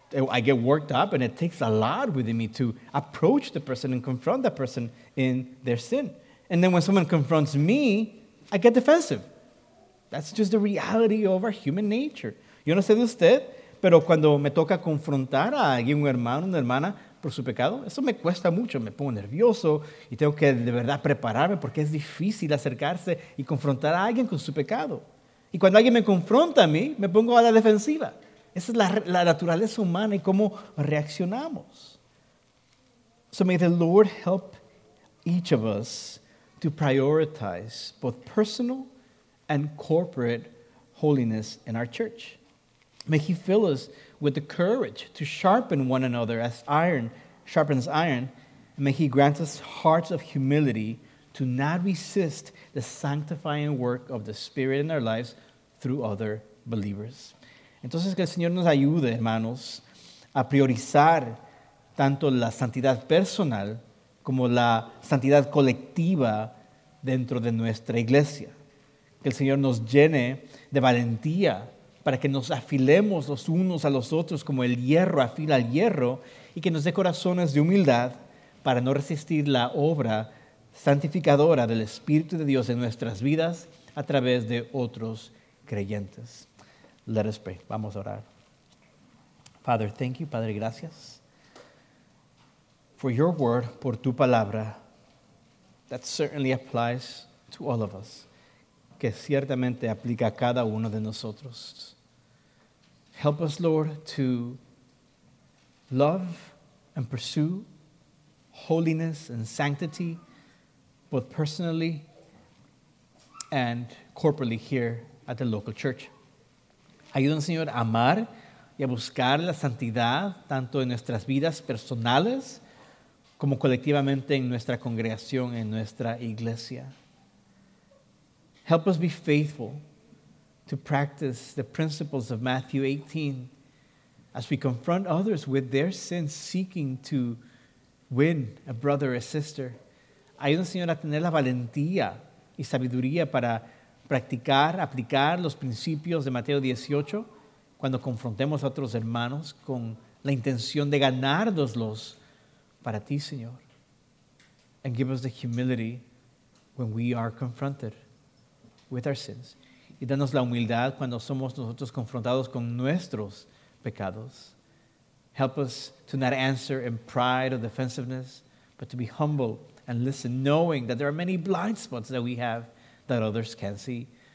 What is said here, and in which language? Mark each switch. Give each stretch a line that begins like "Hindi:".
English: I get worked up, and it takes a lot within me to approach the person and confront that person in their sin. And then when someone confronts me, I get defensive. That's just the reality of our human nature.
Spanish: Yo no sé de usted, pero cuando me toca confrontar a alguien, un hermano, una hermana, por su pecado, eso me cuesta mucho, me pongo nervioso y tengo que de verdad prepararme porque es difícil acercarse y confrontar a alguien con su pecado. Y cuando alguien me confronta a mí, me pongo a la defensiva. Esa es la naturaleza humana y cómo reaccionamos.
English: So may the Lord help each of us to prioritize both personal and corporate holiness in our church. May He fill us with the courage to sharpen one another as iron sharpens iron. May He grant us hearts of humility to not resist the sanctifying work of the Spirit in our lives through other believers.
Spanish: Entonces, que el Señor nos ayude, hermanos, a priorizar tanto la santidad personal como la santidad colectiva dentro de nuestra iglesia. Que el Señor nos llene de valentía para que nos afilemos los unos a los otros como el hierro afila al hierro y que nos dé corazones de humildad para no resistir la obra santificadora del Espíritu de Dios en nuestras vidas a través de otros creyentes.
English: Let us pray.
Spanish: Vamos a orar.
English: Father, thank you.
Spanish: Padre, gracias.
English: For your word,
Spanish: por tu palabra,
English: That certainly applies to all of us.
Spanish: Que ciertamente aplica a cada uno de nosotros.
English: Help us, Lord, to love and pursue holiness and sanctity, both personally and corporately here at the local church.
Spanish: Ayúdanos, Señor, a amar y a buscar la santidad tanto en nuestras vidas personales como colectivamente en nuestra congregación, en nuestra iglesia.
English: Help us be faithful to practice the principles of Matthew 18 as we confront others with their sins seeking to win a brother or sister.
Spanish: Ayúdanos, Señor, a tener la valentía y sabiduría para practicar, aplicar los principios de Mateo 18 cuando confrontemos a otros hermanos con la intención de ganárnoslos para ti, Señor.
English: And give us the humility when we are confronted with our sins.
Spanish: Y danos la humildad cuando somos nosotros confrontados con nuestros pecados.
English: Help us to not answer in pride or defensiveness, but to be humble and listen, knowing that there are many blind spots that we have that others can see.